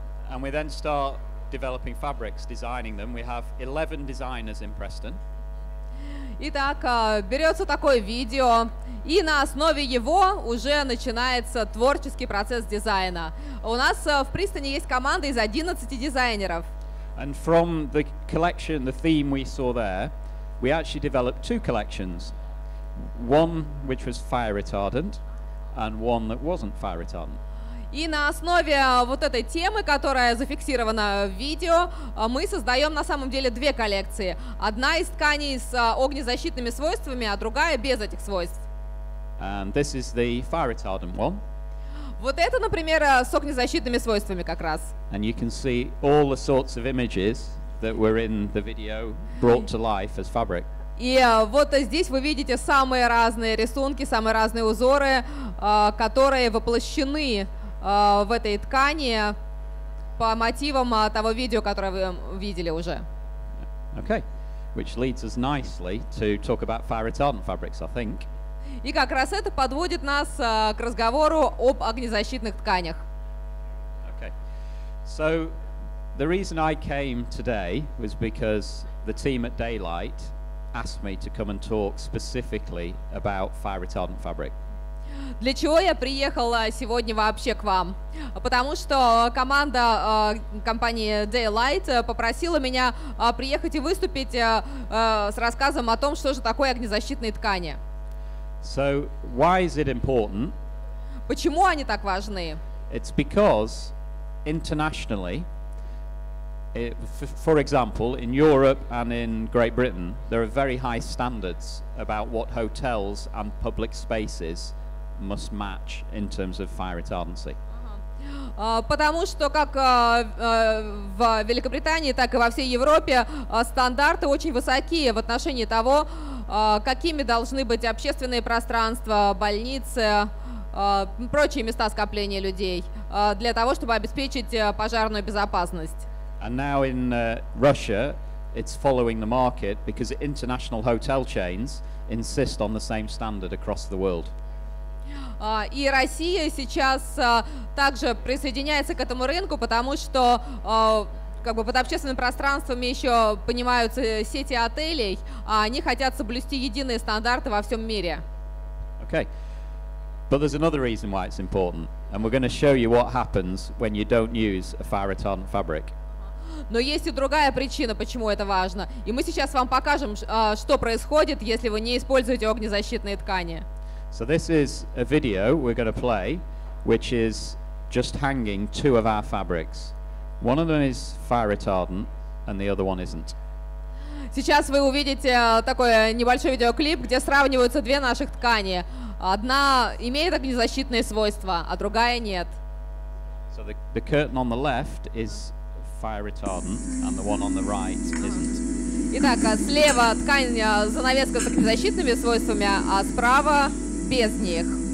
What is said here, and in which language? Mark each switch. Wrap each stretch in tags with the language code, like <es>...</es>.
<en>And we then start developing fabrics, designing them. We have 11 designers in Preston.</en> <ru>Итак, берется такое видео, и на основе его уже начинается творческий процесс дизайна. У нас в Пристоне есть команда из 11 дизайнеров.</ru> <en>And from the collection, the theme we saw there, we actually developed two collections. One which was fire retardant, and one that wasn't fire retardant.</en> <ru>И на основе вот этой темы, которая зафиксирована в видео, мы создаем на самом деле две коллекции. Одна из тканей с огнезащитными свойствами, а другая без этих свойств.</ru> <en>And this is the fire retardant one.</en> <ru>Вот это, например, с огнезащитными свойствами как раз.</ru> <en>And you can see all the sorts of images that were in the video brought to life as fabric.</en> <ru>И вот здесь вы видите самые разные рисунки, самые разные узоры, которые воплощены в этой ткани по мотивам того видео, которое вы видели уже.</ru> <en>Okay, which leads us nicely to talk about fire retardant fabrics, I think.</en> <ru>И как раз это подводит нас к разговору об огнезащитных тканях.</ru> <en>Okay, so the reason I came today was because the team at Daylight asked me to come and talk specifically about fire retardant fabric.</en> <ru>Для чего я приехала сегодня вообще к вам? Потому что команда компании Daylight попросила меня приехать и выступить с рассказом о том, что же такое огнезащитные ткани.</ru> <en>So why is it important?</en> <ru>Почему они так важны?</ru> <en>It's because internationally, for example, in Europe and in Great Britain, there are very high standards about what hotels and public spaces must match in terms of fire retardancy.</en> <ru>Потому что как в Великобритании, так и во всей Европе стандарты очень высокие в отношении того, какими должны быть общественные пространства, больницы, прочие места скопления людей для того, чтобы обеспечить пожарную безопасность.</ru> <en>And now in Russia, it's following the market because international hotel chains insist on the same standard across the world.</en> <ru>И Россия сейчас также присоединяется к этому рынку, потому что как бы под общественными пространствами еще понимаются сети отелей, а они хотят соблюсти единые стандарты во всем мире.</ru> <en>Okay. But there's another reason why it's important, and we're going to show you what happens when you don't use a fire retardant fabric.</en> <ru>Но есть и другая причина, почему это важно. И мы сейчас вам покажем, что происходит, если вы не используете огнезащитные ткани.</ru> <en>So this is a video we're going to play, which is just hanging two of our fabrics. One of them is fire retardant, and the other one isn't.</en> <ru>Сейчас вы увидите такой небольшой видеоклип, где сравниваются две наших ткани. Одна имеет огнезащитные свойства, а другая нет.</ru> <en>So the curtain on the left is fire retardant, and the one on the right isn't.</en> <ru>Итак, слева ткань, занавеска с огнезащитными свойствами, а справа без них.</ru>